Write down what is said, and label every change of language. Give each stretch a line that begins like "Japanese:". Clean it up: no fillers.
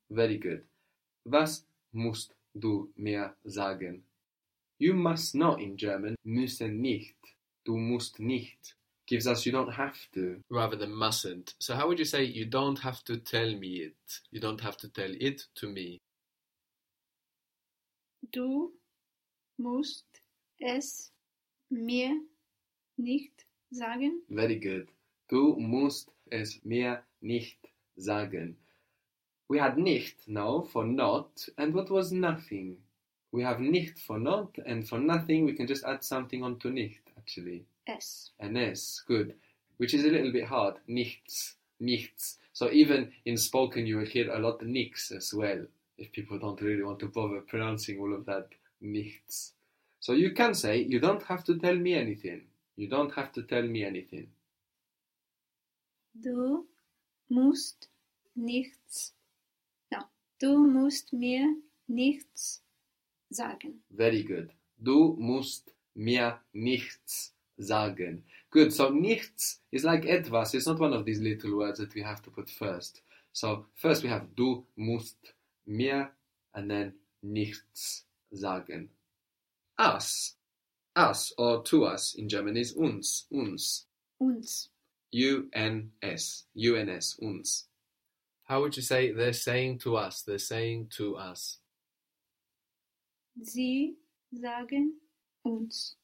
English: Very good.
German: Was musst du mir sagen?
English: You must not in German.
German: Müssen nicht. Du musst nicht.
English: Gives us you don't have to. Rather than mustn't. So how would you say you don't have to tell me it? You don't have to tell it to me.
German: Du musst es mir nicht sagen.
English: Very good.
German: Du musst es mir nicht sagen.
English: We had nicht now for not, and what was nothing? We have nicht for not, and for nothing we can just add something onto nicht, actually. S. An S, good. Which is a little bit hard. Nichts, nichts. So even in spoken you will hear a lot of nichts as well, if people don't really want to bother pronouncing all of that nichts. So you can say, you don't have to tell me anything. You don't have to tell me anything.
German: Du musst nichts.
English: No.
German: Du musst mir nichts sagen.
English: Very good.
German: Du musst mir nichts sagen.
English: Good. So nichts is like etwas. It's not one of these little words that we have to put first. So first we have du musst mir and then nichts sagen. Us. us or to us in German is uns, uns.
German: Uns.
English: U-N-S, U-N-S, uns. How would you say they're saying to us, they're saying to us?
German: Sie sagen uns.